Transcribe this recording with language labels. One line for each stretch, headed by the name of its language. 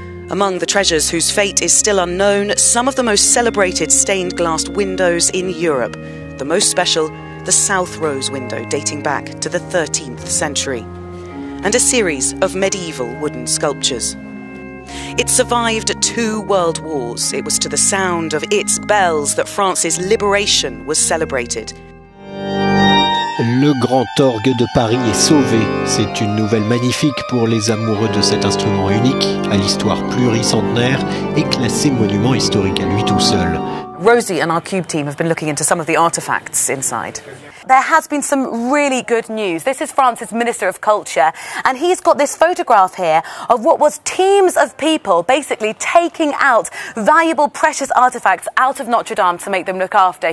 English: Among the treasures whose fate is still unknown, some of the most celebrated stained glass windows in Europe, the most special, the South Rose window, dating back to the 13th century, and a series of medieval wooden sculptures. It survived two world wars. It was to the sound of its bells that France's liberation was celebrated.
French: Le grand orgue de Paris est sauvé. C'est une nouvelle magnifique pour les amoureux de cet instrument unique, à l'histoire pluricentenaire et classé monument historique à lui tout seul.
English: Rosie and our Cube team have been looking into some of the artefacts inside. There has been some really good news. This is France's Minister of Culture, and he's got this photograph here of what was teams of people basically taking out valuable, precious artefacts out of Notre Dame to make them look after.